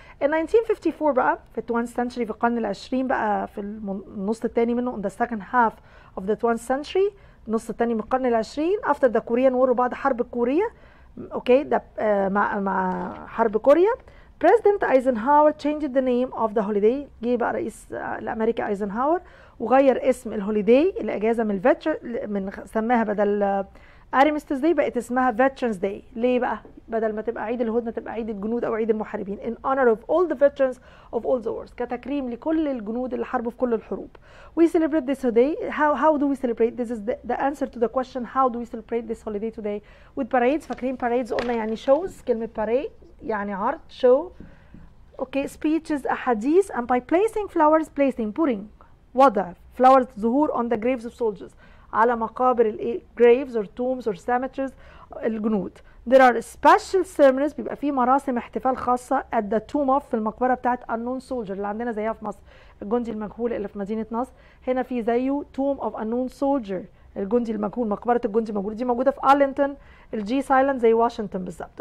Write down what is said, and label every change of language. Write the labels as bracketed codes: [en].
[en] In 1954 بقى في 20th century, [ar] في القرن العشرين بقى في النص التاني منه, [en] in the second half of the 20th century, [ar] النص التاني من القرن العشرين, [en] after the Korean War [ar] وبعد حرب الكورية, [en] okay, [ar] مع حرب كوريا, [en] President Eisenhower changed the name of the holiday. [ar] جه بقى رئيس الأمريكي أيزنهاور وغير اسم الهوليداي الإجازة من سماها بدل Armistice Day بقت اسمها Veterans Day. ليه بقى؟ بدل ما تبقى عيد الهدنة تبقى عيد الجنود أو عيد المحاربين. [en] In honor of all the veterans of all the wars. [ar] كتكريم لكل الجنود اللي حاربوا في كل الحروب. [en] We celebrate this holiday. How do we celebrate? This is the answer to the question. How do we celebrate this holiday today? With parades. [ar] فاكرين parades قلنا يعني shows. كلمة parade يعني عرض, show. [en] Okay, speeches, ahadith. And by placing flowers, placing, pouring water, flowers, zuhur on the graves of soldiers. [ar] على مقابر الـ [en] graves or tombs or cemeteries [ar] الجنود. There are special ceremonies, بيبقى في مراسم احتفال خاصة [en] at the tomb of, [ar] في المقبرة بتاعت [en] unknown soldier [ar] اللي عندنا زيها في مصر الجندي المجهول اللي في مدينة نصر. هنا في زيه [en] tomb of unknown soldier [ar] الجندي المجهول، مقبرة الجندي المجهول دي موجودة في أرلينتون، الجي سايلنت زي واشنطن بالظبط.